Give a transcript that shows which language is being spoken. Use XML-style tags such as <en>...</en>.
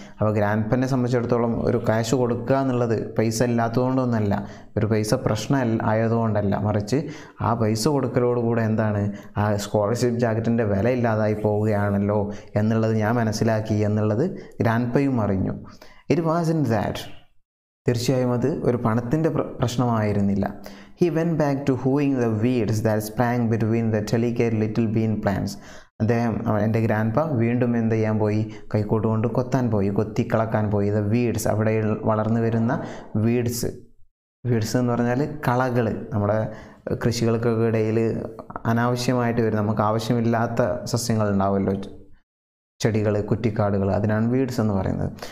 <ml>അപ്പോൾ ഗ്രാൻഡ് പെന്നെ സംബന്ധിച്ചിടത്തോളം ഒരു ക്യാഷ് കൊടുക്കുക എന്നുള്ളത് പൈസ ഇല്ലാത്തതുകൊണ്ടൊന്നല്ല, ഒരു പൈസ പ്രശ്നം ആയതുകൊണ്ടല്ല, മറിച്ച് ആ പൈസ കൊടുക്കലോടുകൂടെ എന്താണ്, ആ സ്കോളർഷിപ്പ് ജാക്കറ്റിൻ്റെ വില ഇല്ലാതായി പോവുകയാണല്ലോ എന്നുള്ളത് ഞാൻ മനസ്സിലാക്കി എന്നുള്ളത് ഗ്രാൻഡ് പയും അറിഞ്ഞു.</ml> <en>it was in that,</en> <ml>തീർച്ചയായും അത് ഒരു പണത്തിൻ്റെ പ്രശ്നമായിരുന്നില്ല.</ml> <en>He went back to hoeing the weeds that sprang between the telecare little bean plants.</en> <ml>അദ്ദേഹം എൻ്റെ ഗ്രാൻഡ്പ വീണ്ടും എന്ത് ചെയ്യാൻ പോയി, കൈക്കോട്ട് കൊണ്ട് കൊത്താൻ പോയി, കൊത്തി കളക്കാൻ പോയി. ദ വീഡ്സ്, അവിടെ വളർന്നു വരുന്ന വീഡ്സ്, വീഡ്സ് എന്ന് പറഞ്ഞാൽ കളകൾ, നമ്മുടെ കൃഷികൾക്കൊക്കെ ഇടയിൽ അനാവശ്യമായിട്ട് വരും, നമുക്ക് ആവശ്യമില്ലാത്ത സസ്യങ്ങൾ ഉണ്ടാവുമല്ലോ, ചെടികൾ, കുറ്റിക്കാടുകൾ, അതിനാണ് വീഡ്സ് എന്ന് പറയുന്നത്.</ml>